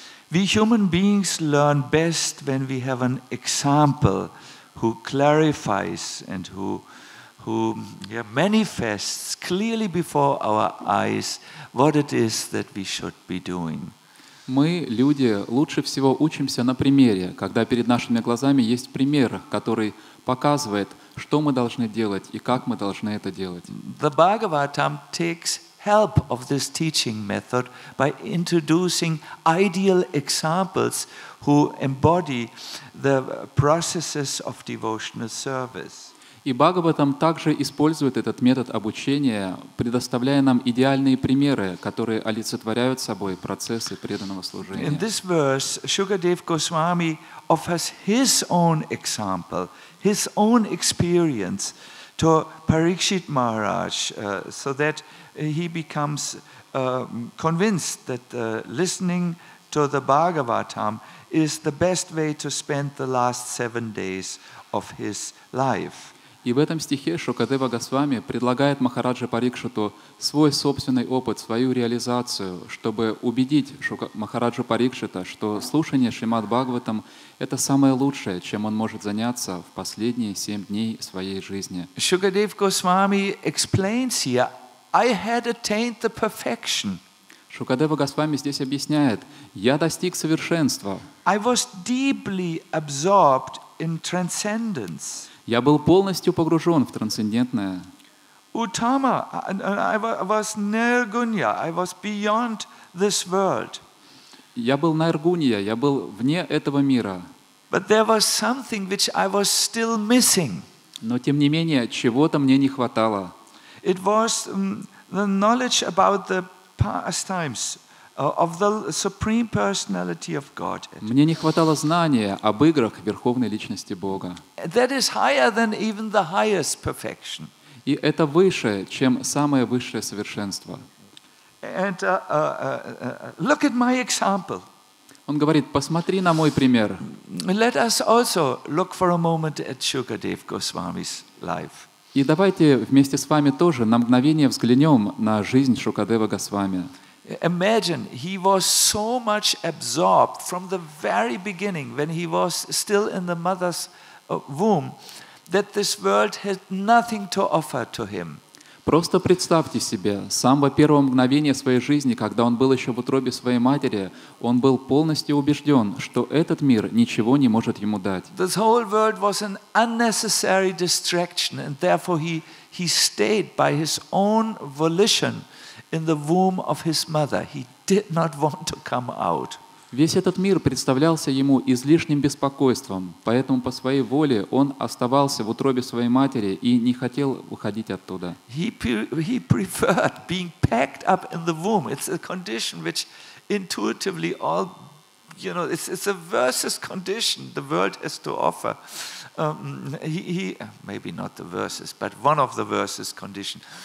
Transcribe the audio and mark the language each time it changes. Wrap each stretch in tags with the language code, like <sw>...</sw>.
<en>We human beings learn best when we have an example who clarifies and who manifests clearly before our eyes what it is that we should be doing.</en> <ru>Мы, люди, лучше всего учимся на примере, когда перед нашими глазами есть пример, который показывает, что мы должны делать и как мы должны это делать.</ru> <en>The Bhagavatam takes help of this teaching method by introducing ideal examples who embody the processes of devotional service.</en> <ru>И Бхагаватам также использует этот метод обучения, предоставляя нам идеальные примеры, которые олицетворяют собой процессы преданного служения.</ru> <en>In this verse, Shukadev Goswami offers his own example, his own experience to Parikshit Maharaj, so that he becomes convinced that listening to the Bhagavatam is the best way to spend the last 7 days of his life.</en> <ru>И в этом стихе Шукадева Госвами предлагает Махараджа Парикшиту свой собственный опыт, свою реализацию, чтобы убедить Махараджа Парикшита, что слушание Шримад Бхагаватам — это самое лучшее, чем он может заняться в последние 7 дней своей жизни.</ru> <en>Шукадев Госвами explains here, I had attained the perfection.</en> <ru>Шукадева Госвами здесь объясняет, я достиг совершенства.</ru> <en>I was deeply absorbed in transcendence.</en> <ru>Я был полностью погружен в трансцендентное.</ru> <en>Utama, I was nirgunya, I was beyond this world.</en> <ru>Я был nirgunya, я был вне этого мира.</ru> <en>But there was something which I was still missing.</en> <ru>Но тем не менее, чего-то мне не хватало.</ru> <en>It was the knowledge about the pastimes of the Supreme Personality of Godhead.</en> <ru>Мне не хватало знания об играх Верховной Личности Бога.</ru> <en>That is higher than even the highest perfection.</en> <ru>И это выше, чем самое высшее совершенство.</ru> <en>And look at my example.</en> <ru>Он говорит, посмотри на мой пример.</ru> <en>Let us also look for a moment at Shukadev Goswami's life.</en> <ru>И давайте вместе с вами тоже на мгновение взглянем на жизнь Шукадева Госвами.</ru> <en>Imagine he was so much absorbed from the very beginning when he was still in the mother's womb that this world had nothing to offer to him.</en> <ru>Просто представьте себе, с самого первого мгновения своей жизни, когда он был еще в утробе своей матери, он был полностью убежден, что этот мир ничего не может ему дать.</ru> <en>This whole world was an unnecessary distraction, and therefore he he stayed by his own volition in the womb of his mother. He did not want to come out.</en> <ru>Весь этот мир представлялся ему излишним беспокойством, поэтому по своей воле он оставался в утробе своей матери и не хотел выходить оттуда.</ru> <en>He preferred being packed up in the womb. It's a condition which intuitively all, you know, it's a versus condition the world has to offer. He maybe not the versus, but one of the versus condition.</en>